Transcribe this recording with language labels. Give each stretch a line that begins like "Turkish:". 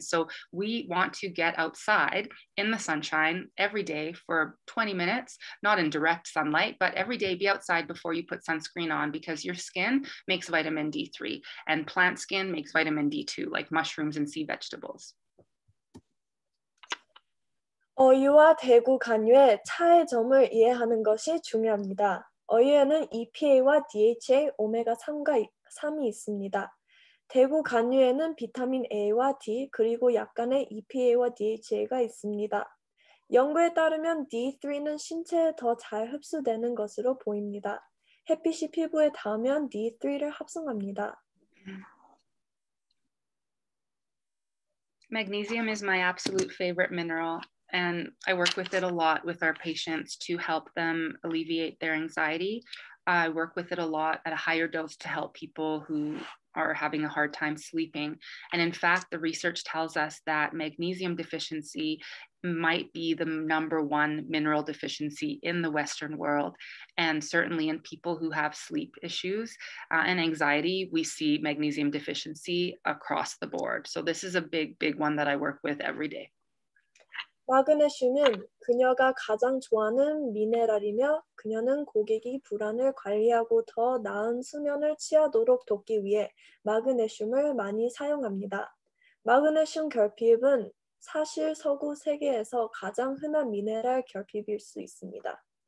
English: So we want to get outside in the sunshine every day for 20 minutes, not in direct sunlight, but every day be outside before you put sunscreen on because your skin makes vitamin D3 and plant skin makes vitamin D2, like mushrooms and sea vegetables.
Korean: 어휴와 대구 간유의 차이점을 이해하는 것이 중요합니다. 어휴에는 EPA와 DHA, 오메가3가 3이 있습니다. 대구 간유에는 비타민 A와 D, 그리고 약간의 EPA와 DHA가 있습니다. 연구에 따르면 D3는 신체에 더 잘 흡수되는 것으로 보입니다. 햇빛이 피부에 닿으면 D3를 합성합니다.
English: Magnesium is my absolute favorite mineral, and I work with it a lot with our patients to help them alleviate their anxiety. I work with it a lot at a higher dose to help people who are having a hard time sleeping. And in fact, the research tells us that magnesium deficiency might be the number one mineral deficiency in the Western world. And certainly in people who have sleep issues and anxiety, we see magnesium deficiency across the board. So this is a big, big one that I work with every day.
Korean: 마그네슘은 그녀가 가장 좋아하는 미네랄이며 그녀는 고객이 불안을 관리하고 더 나은 수면을 취하도록 돕기 위해 마그네슘을 많이 사용합니다. 마그네슘 결핍은 사실 서구 세계에서 가장 흔한 미네랄 결핍일 수 있습니다.